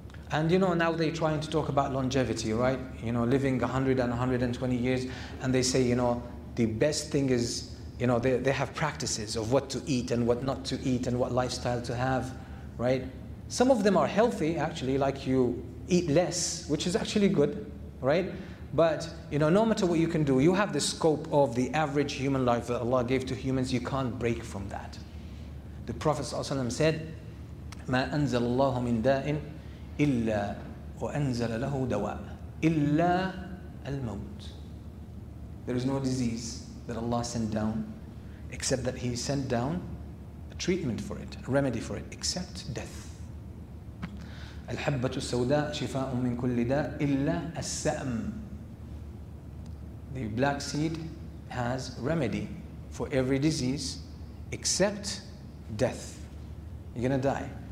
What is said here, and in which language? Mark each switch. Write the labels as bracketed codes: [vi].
[en] And you know, now they're trying to talk about longevity, right? You know, living 100 and 120 years, and they say, you know, the best thing is, you know, they have practices of what to eat and what not to eat and what lifestyle to have, right? Some of them are healthy, actually, like you eat less, which is actually good, right? But, you know, no matter what you can do, you have the scope of the average human life that Allah gave to humans. You can't break from that. The Prophet ﷺ said, [ar] مَا أَنزَلَ اللَّهُ مِن دَاءٍ إِلَّا وَأَنزَلَ لَهُ دَوَاءً إِلَّا الْمَوْتِ. [en] There is no disease that Allah sent down, except that He sent down a treatment for it, a remedy for it, except death. [ar] الْحَبَّةُ السَّوْدَاءُ شِفَاءٌ مِّن كُلِّ دَاءٍ إِلَّا السَّأْمُ. [en] The black seed has remedy for every disease except death. You're gonna die.